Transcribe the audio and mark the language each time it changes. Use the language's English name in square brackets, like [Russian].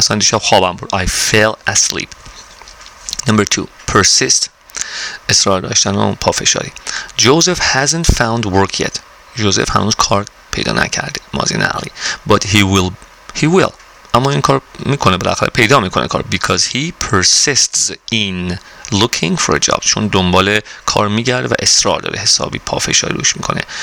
[Persian] مثلا دیشب خوابم برد. [English] I fell asleep. Number two, persist. [Persian] اصرار داشتن و پافشاری. [English] Joseph hasn't found work yet. [Persian] Joseph هنوز کار پیدا نکرده. مازین علی. [English] But he will. [Persian] اما این کار میکنه بالاخره. پیدا میکنه کار. [English] Because he persists in looking for a job. [Persian] چون دنبال کار میگرده و اصرار داره. حسابی پافشاری روش میکنه.